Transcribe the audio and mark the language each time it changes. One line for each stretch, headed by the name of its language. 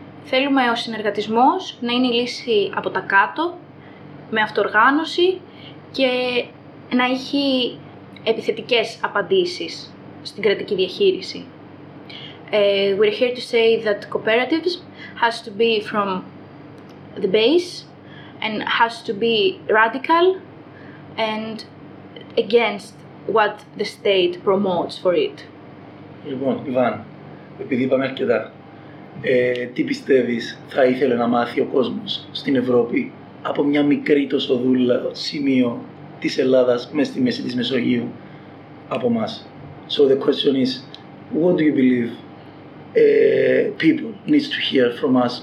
Greek: Θέλουμε ο συνεργατισμός να είναι η λύση από τα κάτω, με αυτοοργάνωση και να έχει επιθετικές απαντήσεις στην κρατική διαχείριση.
English: We're here to say that cooperatives has to be from the base and has to be radical and against what the state promotes for it.
Greek: Λοιπόν, Ιβάν, επειδή είπαμε αρκετά, τι πιστεύεις θα ήθελε να μάθει ο κόσμος στην Ευρώπη από μια μικρή τόσο δούλα σημείο της Ελλάδας μέσα στη μέση της Μεσογείου από μας.
English: So the question is, what do you believe people need to hear from us?